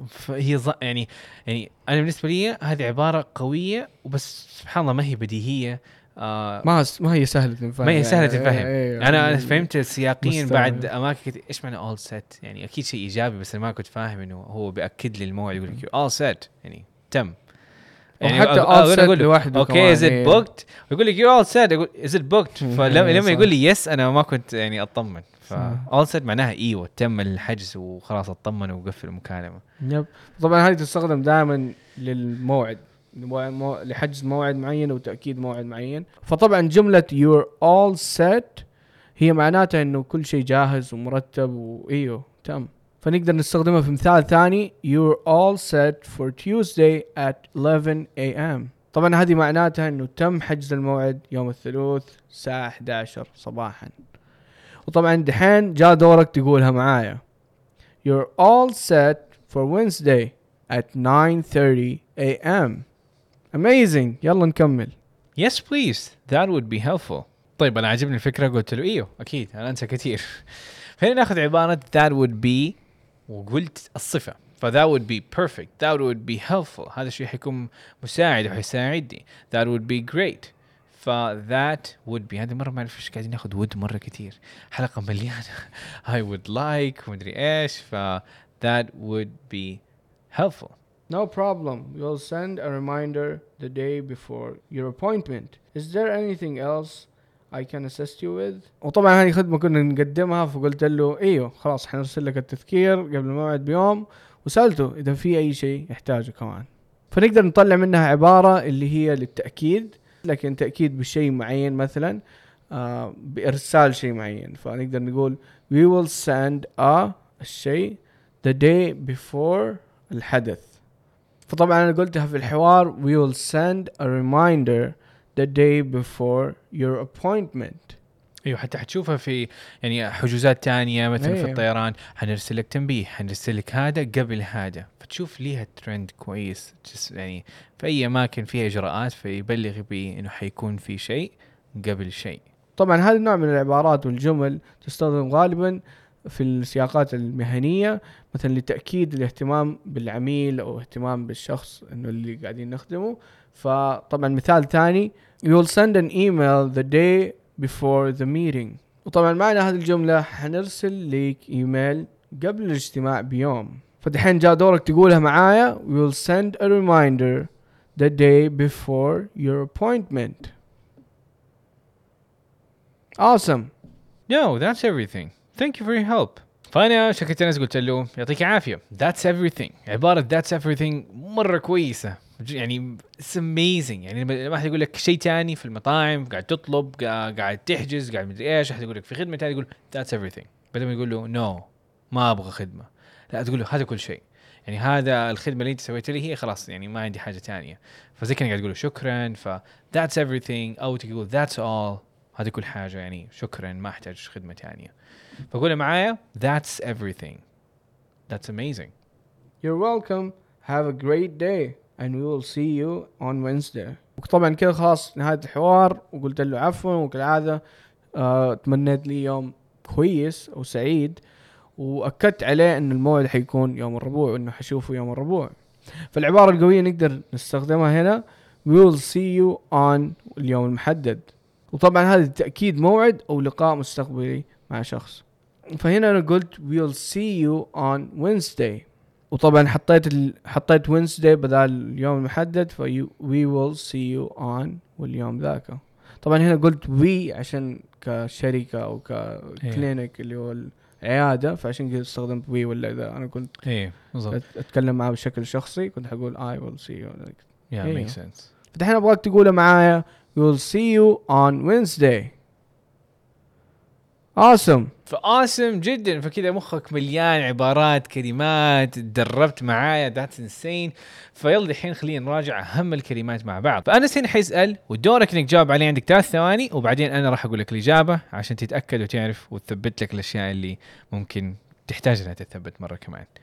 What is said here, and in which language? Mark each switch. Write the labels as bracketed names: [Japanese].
[Arabic] فهي يعني انا بالنسبة لي هذه عبارة قوية وبس سبحان الله ما هي بديهية ما هي سهلة الفهم. ما هي سهلة الفهم. يعني أنا فهمت سياقين بعد أماكن كت... إيش معنى [English] all set [Arabic] يعني أكيد شيء إيجابي بس ما كنت فاهم إنه هو بأكد للموعد يقول لك all set يعني تم. يعني حتى [English] all set [Arabic] لواحد. [English] Okay is it booked؟ [Arabic] يقول لك [English] you all set. [Arabic] يقول [English] is it booked؟ [Arabic] فلما يقول لي yes أنا ما كنت يعني أطمن. ف [English] all set [Arabic] معناها إيه وتم الحجز وخلاص أطمن وقفل المكالمة. يب. طبعا هذه تستخدم دائما للموعد. لحجز موعد معين وتأكيد موعد معين. فطبعا جملة [English] you're all set [Arabic] هي معناتها انه كل شيء جاهز ومرتب وإيو تم. فنقدر نستخدمها في مثال ثاني [English] you're all set for Tuesday at 11 a.m. [Arabic] طبعا هذه معناتها انه تم حجز الموعد يوم الثلاث الساعة 11 صباحا. وطبعا دحين جاء دورك تقولها معايا [English] you're all set for Wednesday at 9:30 a.m. Amazing. [Arabic] يلا نكمل. [English] Yes, please. That would be helpful. [Arabic] طيب أنا عجبني الفكرة قلت له إيوه أكيد أنا أنسى كثير. فهنا نأخذ عبارة [English] that would be [Arabic] وقلت الصفة. [English] فthat would be perfect. That would be helpful. [Arabic] هذا الشيء حيكون مساعد وحيساعدني. [English] That would be great. فthat would be. [Arabic] هذه مرة ما أعرف إيش قاعدين نأخذ would مرة كثير. حلقة مليانة. [English] I would like. [Arabic] ما أدري إيش. [English] فthat would be helpful. No problem. We'll send a reminder the day before your appointment. Is there anything else I can assist you with? [Arabic] وطبعا هذه خدمة كنا نقدمها فقلت له ايوه خلاص حنرسل لك التذكير قبل الموعد بيوم وسألته اذا في اي شيء يحتاجه كمان. فنقدر نطلع منها عبارة اللي هي للتأكيد لكن تأكيد بشيء معين مثلا بإرسال شيء معين. فنقدر نقول [English] we will send a [Arabic] الشيء [English] the day before [Arabic] الحدث. فطبعا انا قلتها في الحوار [English] we will send a reminder the day before your appointment. [Arabic] ايوه حتى حتشوفها في يعني حجوزات تانية مثلا أيوه. في الطيران حنرسل لك تنبيه حنرسل لك هذا قبل هذا فتشوف ليها ترند كويس يعني في اي اماكن فيها اجراءات فيبلغ بي انه حيكون في شيء قبل شيء. طبعا هذا النوع من العبارات والجمل تستخدم غالبا في السياقات المهنية مثلا لتأكيد الاهتمام بالعميل أو اهتمام بالشخص إنه اللي قاعدين نخدمه. فطبعا مثال ثاني [English] you'll send an email the day before the meeting. [Arabic] وطبعا معنى هذه الجملة حنرسل لك إيميل قبل الاجتماع بيوم. فدحين جاء دورك تقولها معايا [English] we'll send a reminder the day before your appointment. Awesome. No, that's everything. Thank you for your help. [Arabic] فأنا شكرت الناس قلت له يعطيك عافية. [English] That's everything. [Arabic] عبارة [English] that's everything [Arabic] مرة كويسة. [English] يعني it's amazing. [Arabic] يعني ما حد يقول لك شيء تاني في المطاعم قاعد تطلب قاعد تحجز قاعد مدري إيش حد يقول لك في خدمة تاني يقول [English] that's everything. [Arabic] بدل ما يقول له no ما أبغى خدمة. لا تقول له هذا كل شيء. يعني هذا الخدمة اللي أنت سويت لي هي خلاص يعني ما عندي حاجة تانية. فزي كأنك قاعد تقول له شكرا ف [English] that's everything [Arabic] أو تقول [English] that's all. [Arabic] هذه كل حاجة يعني شكرا ما أحتاج خدمة تانية. فقولي معايا [English] that's everything. That's amazing. You're welcome. Have a great day. and we will see you on Wednesday. [Arabic] وطبعا كده خلاص نهاية الحوار وقلت له عفوا وكالعادة تمنيت لي يوم كويس وسعيد وأكدت عليه ان الموعد حيكون يوم الربوع وانه حشوفه يوم الربوع. فالعبارة القوية نقدر نستخدمها هنا [English] we will see you on [Arabic] اليوم المحدد, وطبعا هذا تأكيد موعد او لقاء مستقبلي مع شخص. فهنا انا قلت [English] we'll see you on Wednesday, [Arabic] وطبعا حطيت Wednesday بدل اليوم المحدد ف [English] we will see you on [Arabic] واليوم ذاك. طبعا هنا قلت we عشان كشركة او كلينيك اللي هو العيادة, فعشان كده استخدمت we, ولا اذا انا كنت اتكلم معه بشكل شخصي كنت حقول [English] I will see you. Yeah, makes sense. [Arabic] فدحين ابغاك تقوله معايا [English] we'll see you on Wednesday. Awesome. [Arabic] Awesome جدا. فكذا مخك مليان عبارات كلمات دربت معايا, [English] that's insane. [Arabic] فيلا الحين خلينا نراجع اهم الكلمات مع بعض. فانا سين حيسال ودورك انك تجاوب عليه, عندك 3 ثواني وبعدين انا راح اقول لك الاجابه عشان تتاكد وتعرف وتثبت لك الاشياء اللي ممكن تحتاج انها تثبت مره كمان.